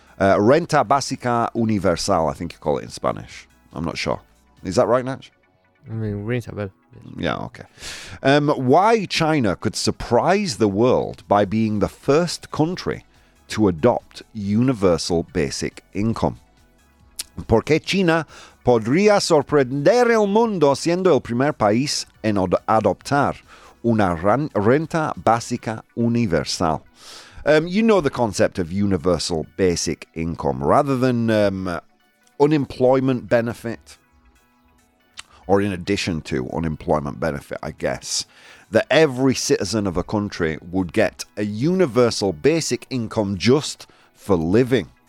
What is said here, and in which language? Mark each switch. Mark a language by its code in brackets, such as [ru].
[es] Renta Básica Universal, [en] I think you call it in Spanish. I'm not sure. Is that right, Nach? I mean, renta, well. Yeah, okay. Why China could surprise the world by being the first country to adopt universal basic income. [es] ¿Por qué China podría sorprender el mundo siendo el primer país en adoptar una renta básica universal? [en] You know the concept of universal basic income. Rather than unemployment benefit, or in addition to unemployment benefit, I guess, that every citizen of a country would get a universal basic income just for living.